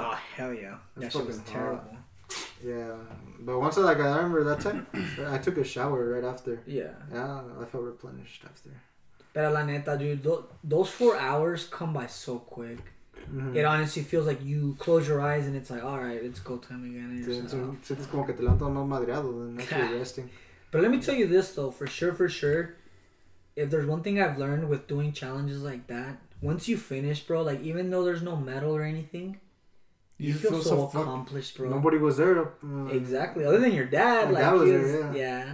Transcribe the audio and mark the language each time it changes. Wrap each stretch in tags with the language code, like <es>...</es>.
<en>Oh, hell yeah. That shit was terrible. Yeah, but once I remember that time, I took a shower right after. Yeah. Yeah, I felt replenished after.</en> <es>Pero la neta,</es> <en>dude, those 4 hours come by so quick. Mm-hmm. It honestly feels like you close your eyes and it's like, all right, it's go time again.</en> <es>Sientes como que te levantas más madreado</es> <en>than actually resting. But let me tell you this, though, for sure, if there's one thing I've learned with doing challenges like that, once you finish, bro, like, even though there's no medal or anything, you feel so accomplished, bro. Nobody was there. Exactly. Other than your dad. Like, dad was there, yeah.</en>